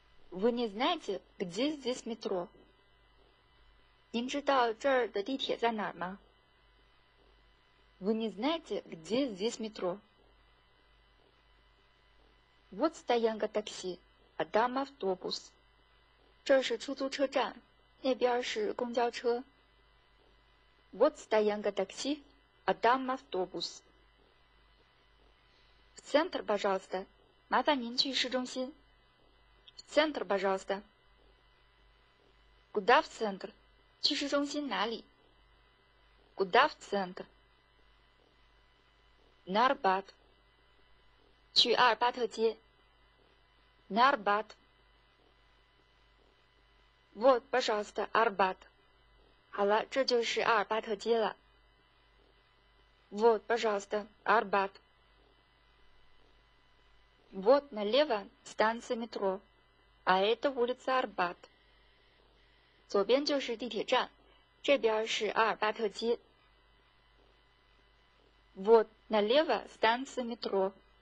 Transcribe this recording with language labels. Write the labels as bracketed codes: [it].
[ru] Вы не знаете, где здесь метро? [zh] 您知道这儿的地铁在哪儿吗？ [ru] Вы не знаете, где здесь метро? Вот стоянка такси, а там автобус. [zh] 这是出租车站，那边是公交车。 [ru] Вот стоянка такси, а там автобус. В центр, пожалуйста. [zh] 麻烦您去市中心。 [ru] В центр, пожалуйста. Куда в центр? [zh] 去市中心哪里？ [ru] Куда в центр? На Арбат. [zh] 去阿尔巴特街。 [ru] На Арбат. Вот, пожалуйста, Арбат. [zh] 好了，这就是阿尔巴特街了。 [ru] Вот, пожалуйста, Арбат. Вот налево станция метро. А это улица Арбат. [zh] 左边就是地铁站，这边是阿尔巴特街。 [ru] Вот налево станция метро.